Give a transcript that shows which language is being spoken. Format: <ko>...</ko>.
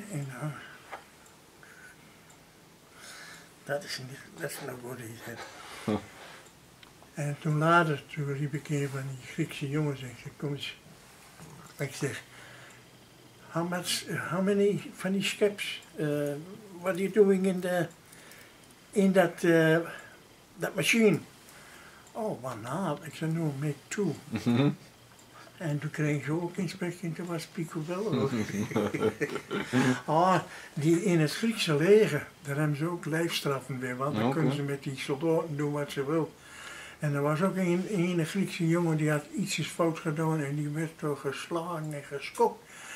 <nl>En dat is een goede idee. En toen later, toen riep ik een van die Griekse jongens en ik zei, kom eens. Ik zeg,</nl> <en>how many</en> <nl>van die skeps?</nl> <en>What are you doing in that machine? Oh, why not?</en> <nl>Ik zei,</nl> <en>no, make two.</en> <nl>En toen kreeg ze ook inspectie en toen was picobello. Oh, die in het Griekse leger, daar hebben ze ook lijfstraffen weer, want dan kunnen ze met die soldaten doen wat ze wil. En er was ook een Griekse jongen die had iets fout gedaan en die werd door geslagen en geskokt.</nl>